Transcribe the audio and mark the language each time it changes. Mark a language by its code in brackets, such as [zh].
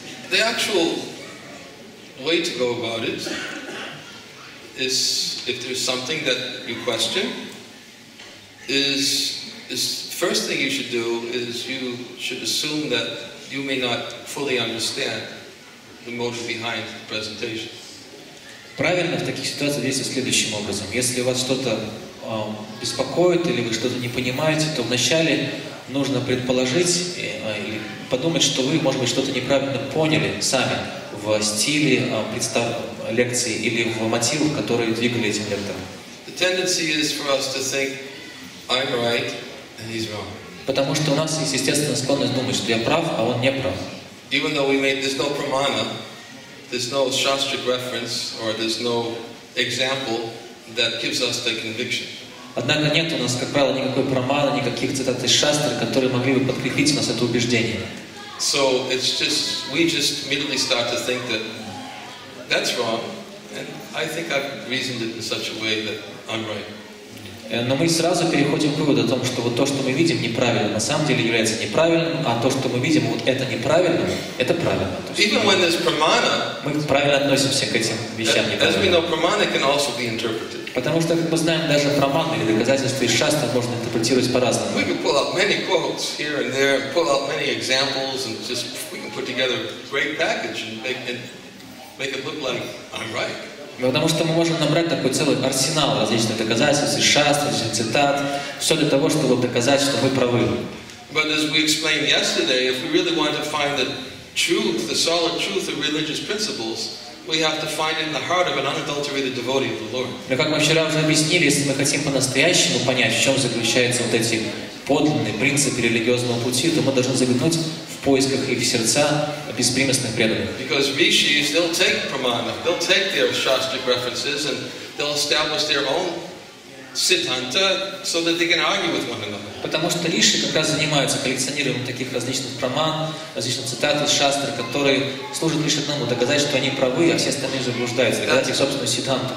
[en] The actual way to go about it is, if there's something that you question, is the first thing you should do is you should assume that you may not fully understand the motive behind the presentation. [ru] Правильно в таких ситуациях действовать следующим образом. Если вас что-то беспокоит или вы что-то не понимаете, то вначале нужно предположить или подумать, что вы, может быть, что-то неправильно поняли сами в стиле лекции или в мотивах, которые двигали этим лектором. [en] The tendency is for us to think, I'm right, and he's wrong. [ru] Потому что у нас есть естественная склонность думать, что я прав, а он не прав. [en] Even though there's no pramana, there's no shastric reference or there's no example that gives us the conviction. [ru] Однако нет у нас, как правило, никакой прамана, никаких цитат из шастры, которые могли бы подкрепить нас это убеждение. [en] So it's just we just immediately start to think that that's wrong, and I think I've reasoned it in such a way that I'm right. [ru] Но мы сразу переходим к выводу о том, что вот то, что мы видим, неправильно, на самом деле является неправильным, а то, что мы видим, вот это неправильно, это правильно. [en] Even when there's pramana, [ru] мы правильно относимся к этим вещам неправильно. [en] As we know, pramana can also be interpreted. [ru] Потому что, как мы знаем, даже праманы или доказательства из шастр можно интерпретировать по-разному. [en] We can pull out many quotes here and there, pull out many examples, and just we can put together a great package and make it look like I'm right. [ru] Потому что мы можем набрать такой целый арсенал различных доказательств, из шаст, из цитат, все для того, чтобы доказать, что мы правы. [en] But as we explained yesterday, if we really want to find the truth, the solid truth of religious principles, we have to find it in the heart of an unadulterated devotee of the Lord. [ru] Но как мы вчера уже объяснили, если мы хотим по-настоящему понять, в чем заключаются вот эти подлинные принципы религиозного пути, то мы должны заглянуть в поисках их сердца беспримесных преданных. [en] Because rishis, they'll take pramana, they'll take their shastric references and they'll establish their own siddhanta so that they can argue with one another. [ru] Потому что риши как раз занимаются коллекционированием таких различных праман, различных цитат из шастр, которые служат лишь одному, доказать, что они правы, а все остальные заблуждаются, доказать их собственную сиддханту.